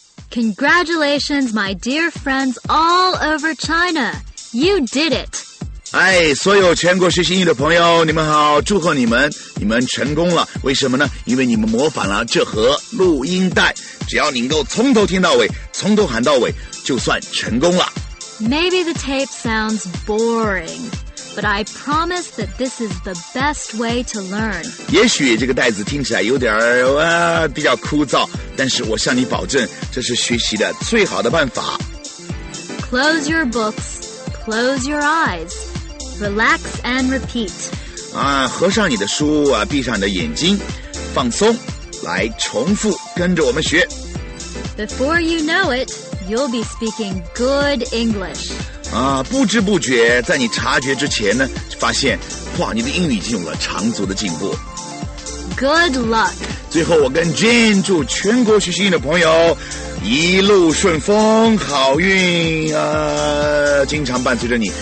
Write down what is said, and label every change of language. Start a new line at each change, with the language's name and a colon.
English: Congratulations, my dear friends all over China. You did it.
Chinese: 哎，所有全国学习英语的朋友，你们好，祝贺你们，你们成功了。为什么呢？因为你们模仿了这盒录音带，只要你能够从头听到尾，从头喊到尾，就算成功了。
English: Maybe the tape sounds boring, but I promise that this is the best way to learn.
Chinese: 也许这个带子听起来有点比较枯燥，但是我向你保证，这是学习的最好的办法。
English: Close your books, close your eyes. Relax and repeat.
Chinese: 合上你的书啊，闭上你的眼睛，放松，来重复，跟着我们学。
English: Before you know it, you'll be speaking good English.
Chinese: 不知不觉，在你察觉之前呢，发现，哇，你的英语已经有了长足的进步。
English: Good luck.
Chinese: 最后，我跟 Jane 祝全国学习英语的朋友一路顺风，好运啊！经常伴随着你。